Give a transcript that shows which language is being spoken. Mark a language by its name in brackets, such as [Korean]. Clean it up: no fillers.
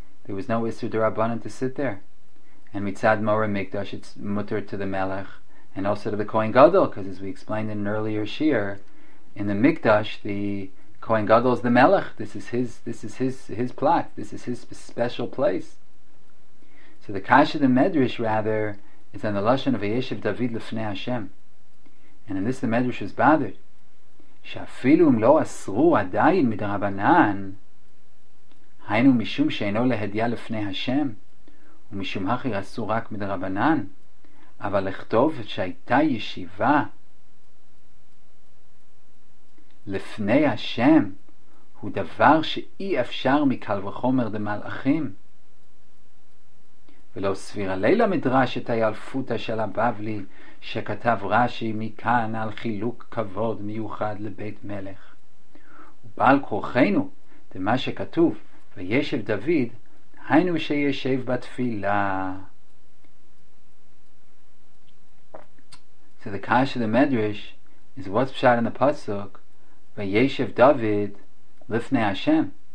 [English] There was no Isur Darabanan to sit there. And Mitzad Mora Mikdash, it's mutter to the Melech, and also to the Kohen Gadol, because as we explained in an earlier shiur, in the Mikdash, the Kohen Gadol is the Melech. This is his plot. This is his special place. So the Kasha the Medrash, rather, is on the Lashon of Yeshev David Lefnei Hashem. And in this, the Medrash is bothered. [Hebrew] Shafilum lo asru adayin midrabanan, haynu mishum sheino lehedya lefnei Hashem, ומשום אחר עשו רק מדרבנן, אבל לכתוב שהייתה ישיבה לפני השם הוא דבר שאי אפשר מקל וחומר דמלאכים, ולא סביר הלילה מדרש את הילפותה של הבבלי שכתב רשי מכאן על חילוק כבוד מיוחד לבית מלך, ובעל כורחנו דמה שכתוב וישב דוד, היינו שישב בתפילה. [English] So the kash of the medrash is what's pshat in the pasuk [Hebrew] v'yeshev David lifnei Hashem.